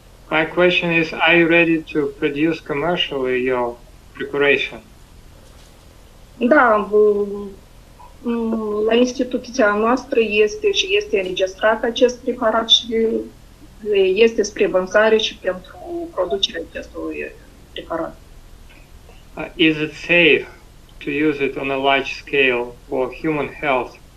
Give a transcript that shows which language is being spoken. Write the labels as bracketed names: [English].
[English] My question is, are you ready to produce commercially your preparation? [Romanian] Da, la instituția noastră este și este înregistrat acest preparat și este spre vânzare și pentru producerea acestui preparat. [English] Is it safe to use it on a large scale for human health?